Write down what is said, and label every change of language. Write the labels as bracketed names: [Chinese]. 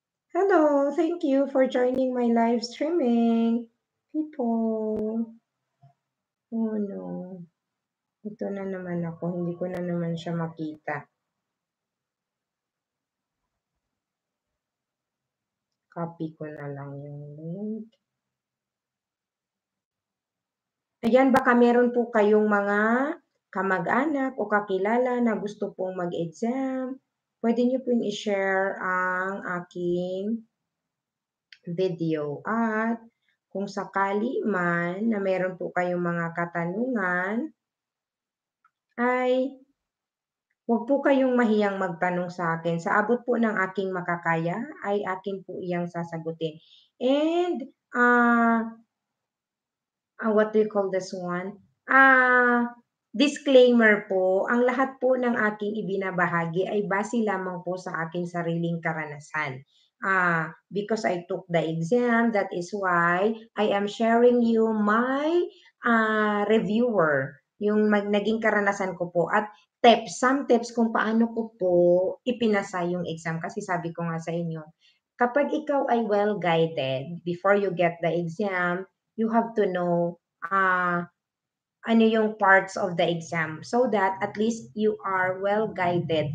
[English] Hello, thank you for joining my live streaming, people. Oh, no. [Filipino] Ito na naman ako, hindi ko na naman siya makita. Copy ko na lang yung link. Ayan, baka meron po kayong mga kamag-anak o kakilala na gusto pong mag-exam. Pwede niyo pong i-share ang aking video. At kung sakali man na meron po kayong mga katanungan, ay huwag po kayong mahiyang magtanong sa akin. Sa abot po ng aking makakaya, ay akin po iyang sasagutin. [English] And, what do you call this one? [Filipino] Disclaimer po, ang lahat po ng aking ibinabahagi ay base lamang po sa aking sariling karanasan. [English] Because I took the exam, that is why I am sharing you my reviewer, [Filipino] yung naging karanasan ko po. At tips, some tips kung paano ko po ipinasa yung exam. Kasi sabi ko nga sa inyo, kapag ikaw ay [English] well-guided before you get the exam, you have to know [Filipino] ano yung [English] parts of the exam so that at least you are well-guided.